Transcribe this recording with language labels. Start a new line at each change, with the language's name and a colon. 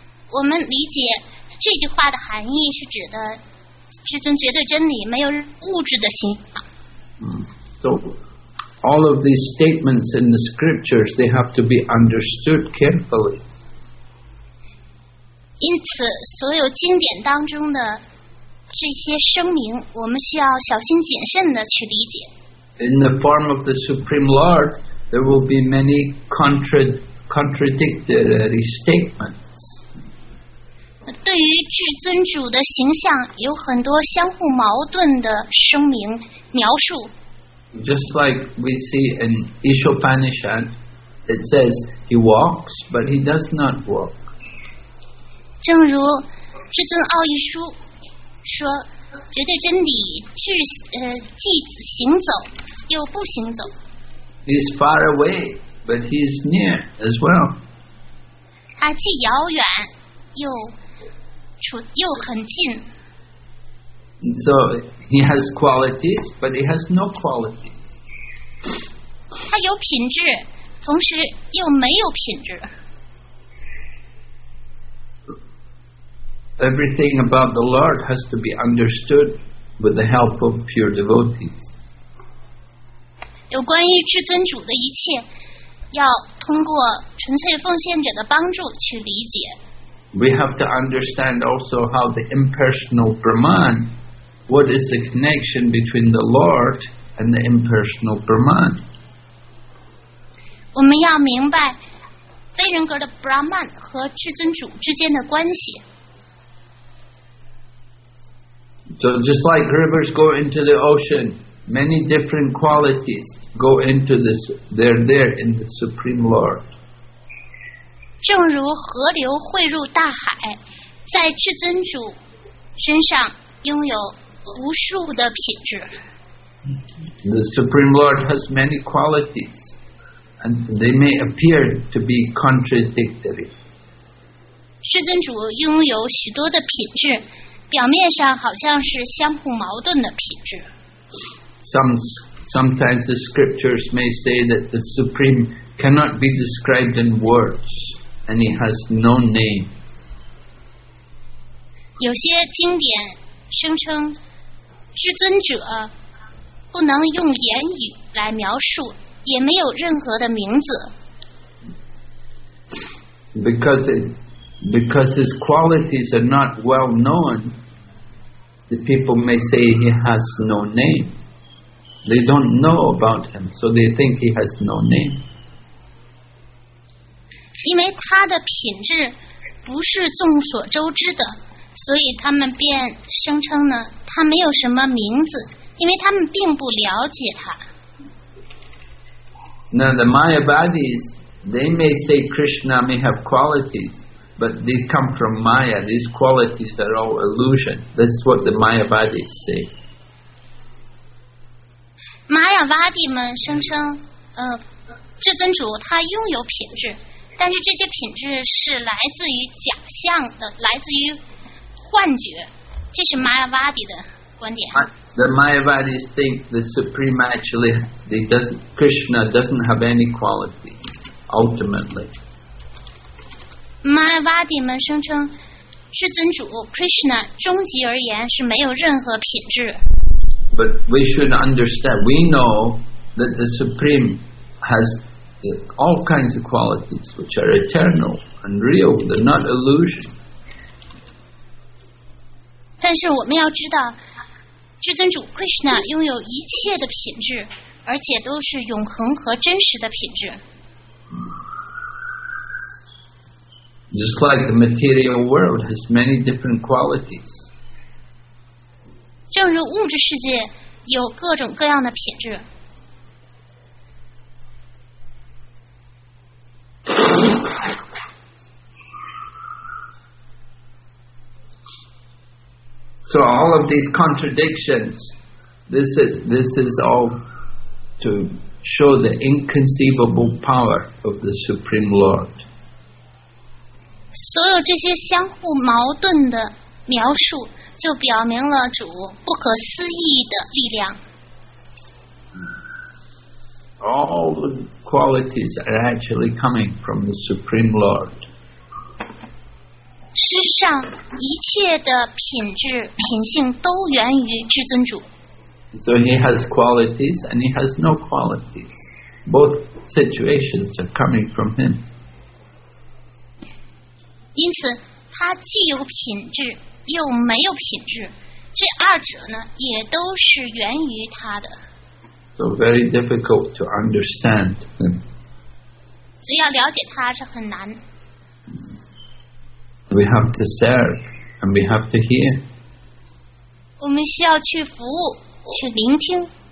Chinese: 我们理解这句话的含义是指的至尊绝对真理没有物质的形象。
English: So. All of these statements in the scriptures, they have to be understood carefully.
Chinese: 因此，所有经典当中的这些声明，我们需要小心谨慎地去理解。
English: In the form of the Supreme Lord, there will be many contradictory statements.
Chinese: 对于至尊主的形象，有很多相互矛盾的声明描述。
English: Just like we see in Ishopanishad, it says he walks, but he does not walk.
Chinese: 正如至尊奥义书说，绝对真理是既行走又不行走。
English: He is far away, but he is near as well.
Chinese: 他既遥远又很近。
English: So he has qualities, but he has no qualities.
Chinese: 他有品质，同时又没有品质。
English: Everything about the Lord has to be understood with the help of pure devotees.
Chinese: 有关于至尊主的一切，要通过纯粹奉献者的帮助去理解。
English: We have to understand also how the impersonal Brahman, what is the connection between the Lord and the impersonal Brahman?
Chinese: 我们要明白非人格的 Brahman 和至尊主之间的关系。
English: So just like rivers go into the ocean, many different qualities go into this. They're there in the Supreme Lord.
Chinese: 正如河流汇入大海，在至尊主身上拥有无数的品质。
English: The Supreme Lord has many qualities. And they may appear to be contradictory.
Chinese: 至尊主拥有许多的品质，表面上好像是相互矛盾的品质。
English: Sometimes the scriptures may say that the Supreme cannot be described in words, and he has no name.
Chinese: 有些经典声称，至尊者不能用言语来描述。也没有任何的名字。
English: Because his qualities are not well known, The people may say he has no name. They don't know about him, so they think he has no name.
Chinese: 因为他的品质不是众所周知的，所以他们便声称呢，他没有什么名字，因为他们并不了解他。
English: Now the Mayavadis, they may say Krishna may have qualities, but they come from Maya. These qualities are all illusion. That's what the Mayavadis say.
Chinese: Mayavadi 们声称，至尊主他拥有品质。但是这些品质是来自于假象的，来自于幻觉。这是 Mayavadi 的观点。
English: The Mayavadis think the Supreme actually, Krishna doesn't have any quality, ultimately.
Chinese: Mayavadi 们声称，至尊主 Krishna 终极而言是没有任何品质。
English: But we should understand, we know that the Supreme has all kinds of qualities which are eternal and real, they're not illusion.
Chinese: 但是我们要知道，至尊主 Krishna 拥有一切的品质，而且都是永恒和真实的品质。
English: Just like the material world has many different qualities.
Chinese: 正如物质世界有各种各样的品质。
English: So all of these contradictions, this is all to show the inconceivable power of the Supreme Lord.
Chinese: 所有这些相互矛盾的描述，就表明了主不可思议的力量。
English: All the qualities are actually coming from the Supreme Lord.
Chinese: 事实上，一切的品质、品性都源于至尊主。
English: So he has qualities and he has no qualities. Both situations are coming from him.
Chinese: 因此，他既有品质又没有品质，这二者呢，也都是源于他的。
English: So very difficult to understand him.
Chinese: 所以要了解他是很难。
English: We have to serve and we have to hear.
Chinese: 我们需要去服务，去聆听。